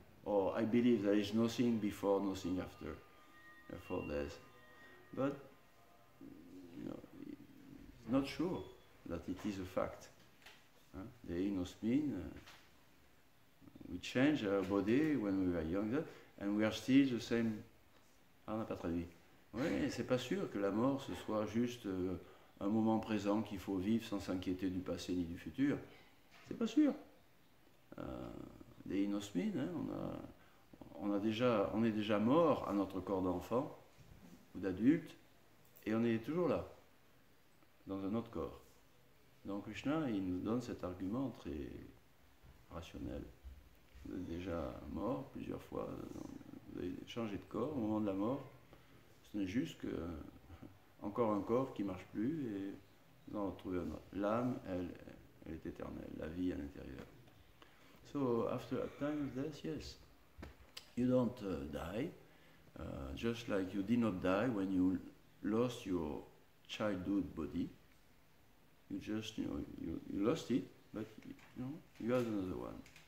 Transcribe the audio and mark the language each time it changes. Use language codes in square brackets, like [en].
[en] Or I believe there is nothing before, nothing after, for death. But you know, it's not sure that it is a fact. The inos mean we change our body when we were younger, and we are still the same. [fr] On n'a pas traduit. Oui, c'est pas sûr que la mort ce soit juste un moment présent qu'il faut vivre sans s'inquiéter du passé ni du futur. C'est pas sûr. Des inos mean, hein, on est déjà mort à notre corps d'enfant ou d'adulte, et on est toujours là, dans un autre corps. Donc Krishna, il nous donne cet argument très rationnel. Vous êtes déjà mort plusieurs fois, vous avez changé de corps au moment de la mort. Ce n'est juste que encore un corps qui ne marche plus et vous en retrouvez un autre. L'âme, elle est éternelle, la vie à l'intérieur. [en] So after a time of death, yes, you don't die, just like you did not die when you lost your childhood body. You just, you know, you lost it, but you know, you have another one.